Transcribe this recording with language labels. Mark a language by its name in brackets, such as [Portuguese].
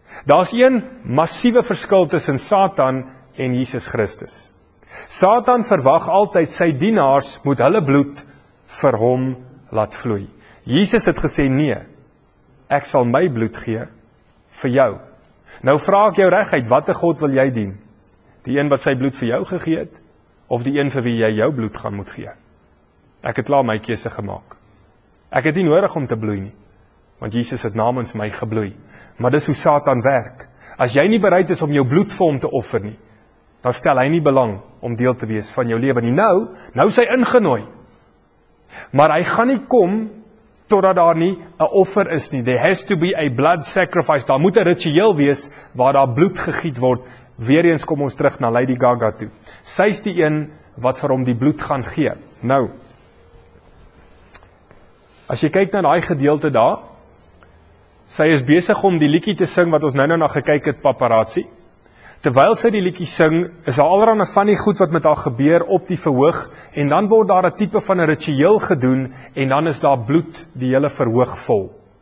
[Afrikaans] Daar's een massiewe verskil tussen Satan en Jesus Christus. Satan verwag altyd sy dienaars moet hulle bloed vir hom laat vloei. Jesus het gesê, nee, ek sal my bloed gee vir jou. Nou vraag ek jou reguit, watter God wil jy dien? Die een wat sy bloed vir jou gegee het, of die een vir wie jy jou bloed gaan moet gee? Ek het klaar my keuse gemaak. Ek het nie nodig om te bloei nie, want Jesus het namens my gebloei. Maar dis hoe Satan werk. As jy nie bereid is om jou bloed vir hom te offer nie, dan stel hy nie belang om deel te wees van jou lewe nie. Nou is hy ingenooi. Maar hy gaan nie kom totdat daar nie 'n offer is nie. [English] There has to be a blood sacrifice. [Afrikaans] Daar moet 'n ritueel wees waar daar bloed gegiet word. Weer eens kom ons terug na Lady Gaga toe. Sy is die een wat vir hom die bloed gaan gee. Nou, as jy kyk na daai gedeelte daar, sy is besig om die liedjie te sing wat ons nou na gekyk het, Paparazzi. Terwyl sy die liedjie sing, is daar allerhande van die goed wat met haar gebeur op die verhoog en dan word daar 'n tipe van 'n ritueel gedoen en dan is daar bloed die hele verhoog vol.